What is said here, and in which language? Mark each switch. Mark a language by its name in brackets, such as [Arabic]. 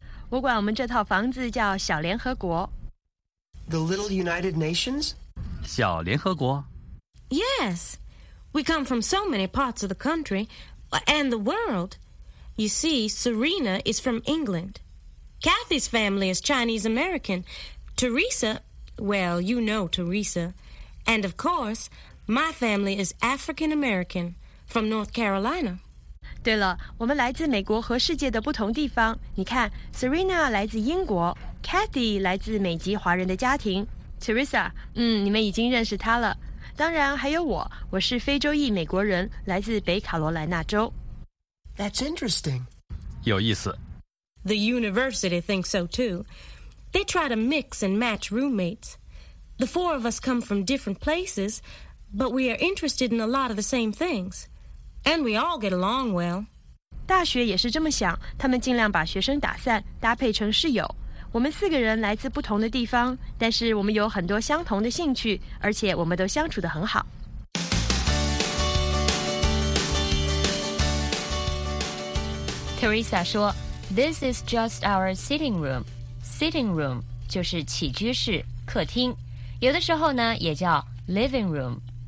[Chinese] 我管我们这套房子叫小联合国。 [English] The Little United Nations? [Chinese] 小联合国。 [English] Yes. We come from so many parts of the country and the world. You see, Serena is from England. Kathy's family is Chinese American. Teresa, well, you know Teresa. And of course, my family is African American from North Carolina. [Chinese] 对了，我们来自美国和世界的不同地方。你看 ，Serena 来自英国 ，Kathy 来自美籍华人的家庭 ，Teresa， 你们已经认识她了。当然还有我，我是非洲裔美国人，来自北卡罗来纳州。 [English] That's interesting. [Chinese] 有意思。 [English] The university thinks so too. They try to mix and match roommates. The four of us come from different places, but we are interested in a lot of the same things. And we all get along well. [Chinese] 大学也是这么想，他们尽量把学生打散，搭配成室友。我们四个人来自不同的地方，但是我们有很多相同的兴趣，而且我们都相处得很好。 Teresa 说 , [English] This is just our sitting room. [Chinese] Sitting room 就是起居室，客厅。有的时候呢也叫 living room.